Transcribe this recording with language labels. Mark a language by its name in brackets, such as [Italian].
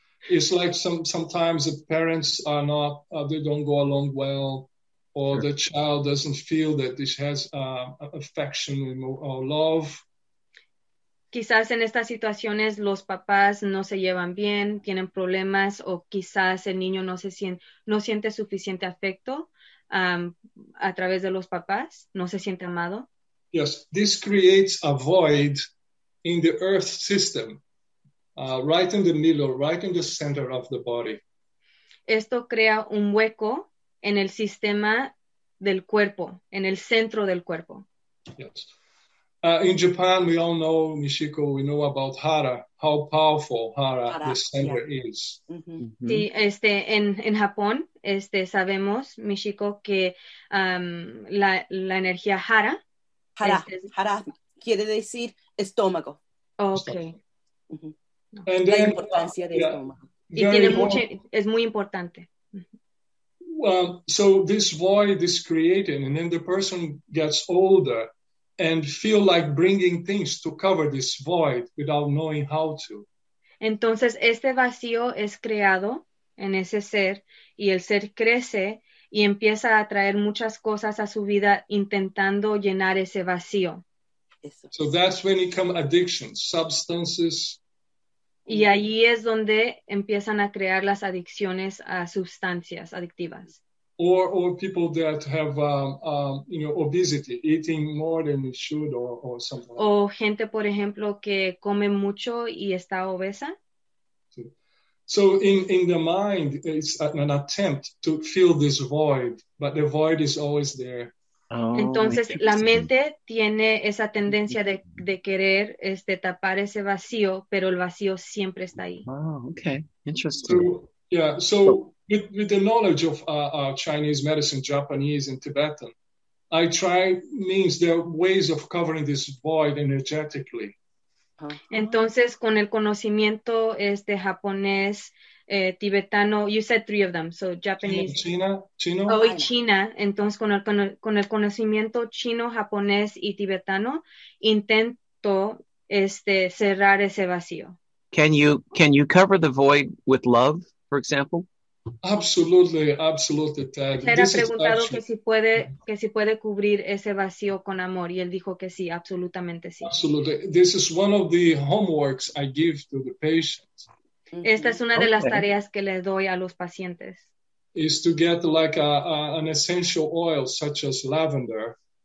[English] It's like sometimes the parents are not, they don't go along well, or sure. The child doesn't feel that this has affection or love. [Spanish] Quizás en estas situaciones los papás no se llevan bien, tienen problemas, o quizás el niño no siente suficiente afecto a través de los papás, no se siente amado. [English] Yes, this creates a void in the earth system, right in the middle, right in the center of the body. [Spanish] Esto crea un hueco en el sistema del cuerpo, en el centro del cuerpo. [English] Yes. In Japan, we all know, Nishiko, we know about Hara, how powerful Hara, the center, yeah, is. Mm-hmm. [Spanish] Sí, en Japón, sabemos, Nishiko, que la energía Hara. Hara quiere decir estómago. [English] Okay. [Spanish] Mm-hmm. [English] Then, [Spanish] la importancia del estómago. Y tiene mucho, es muy importante. [English] Well, so this void is created, and then the person gets older and feel like bringing things to cover this void without knowing how to. [Spanish] Entonces, este vacío es creado en ese ser, y el ser crece y empieza a traer muchas cosas a su vida intentando llenar ese vacío. [English] So that's when it comes addiction, substances. [Spanish] Y ahí es donde empiezan a crear las adicciones a sustancias adictivas. [English] Or people that have obesity, eating more than it should or something. [Spanish] O gente, por ejemplo, que come mucho y está obesa. [English] So in the mind, it's an attempt to fill this void, but the void is always there. [Spanish] Oh, entonces, la mente tiene esa tendencia de querer tapar ese vacío, pero el vacío siempre está ahí. [English] Oh, okay. Interesting. So with the knowledge of Chinese medicine, Japanese, and Tibetan, I try means there are ways of covering this void energetically. [Spanish] Entonces, con el conocimiento japonés, tibetano, [English] you said three of them, so Japanese. China. [Spanish] Oh, y China. Entonces, con el conocimiento chino, japonés y tibetano, intento cerrar ese vacío. [English] Can you cover the void with love, for example? Absolutely, absolutely, Ted. [Spanish] Era preguntado que si puede cubrir ese vacío con amor y él dijo que sí, absolutamente sí. [English] Absolutely. This is one of the homeworks I give to the patients. [Spanish] Esta es una de las tareas que le doy a los pacientes. [English] Is to get like an essential oil such as lavender.